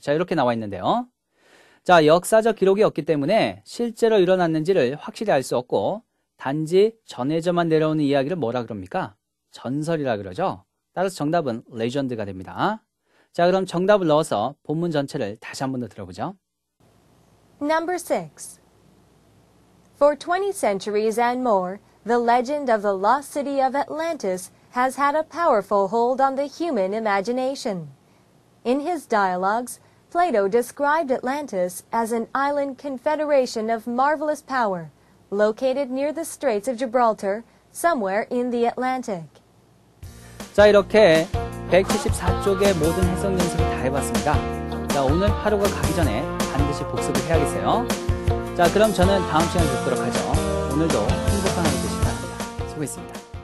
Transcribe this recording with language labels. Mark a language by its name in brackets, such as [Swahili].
[Korean] 자, 이렇게 나와 있는데요. 자, 역사적 기록이 없기 때문에 실제로 일어났는지를 확실히 알 수 없고 단지 전해져만 내려오는 이야기를 뭐라 그럽니까? 전설이라 그러죠. 따라서 정답은 레전드가 됩니다. 자, 그럼 정답을 넣어서 본문 전체를 다시 한 번 더 들어보죠. [English] Number 6. For 20 centuries and more, the legend of the lost city of Atlantis has had a powerful hold on the human imagination. In his dialogues, Plato described Atlantis as an island confederation of marvelous power. Located near the Straits of Gibraltar, somewhere in the Atlantic. [Korean] 자, 이렇게 174쪽의 모든 해석 연습을 다 해봤습니다. 자, 오늘 하루가 가기 전에 반드시 복습을 해야겠어요. 자, 그럼 저는 다음 시간에 뵙도록 하죠. 오늘도 행복한 하루 되시기 바랍니다. 수고했습니다.